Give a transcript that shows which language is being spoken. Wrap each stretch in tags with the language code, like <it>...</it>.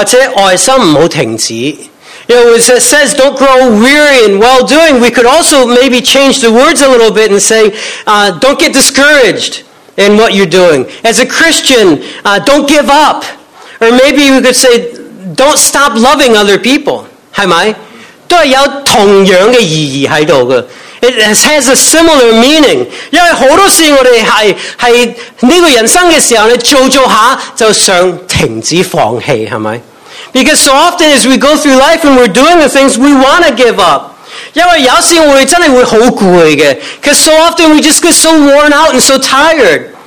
<zh>你讲到丧志呢，你可以同样讲到行善不灰心，基督徒不要放弃，或者爱心不要停止。</zh> <en>You know, it says, don't grow weary in well-doing. We could also maybe change the words a little bit and say, don't get discouraged in what you're doing. As a Christian, don't give up. Or maybe we could say, don't stop loving other people.</en> <zh>是吗? 都是有同样的意义在这里。</zh> <en>It has a similar meaning.</en> <zh>因为很多时候我们在这个人生的时候，做做下就想停止放弃，是吗?</zh> <en>Because so often as we go through life and we're doing the things, we want to give up. Because so often we just get so worn out and so tired.</en>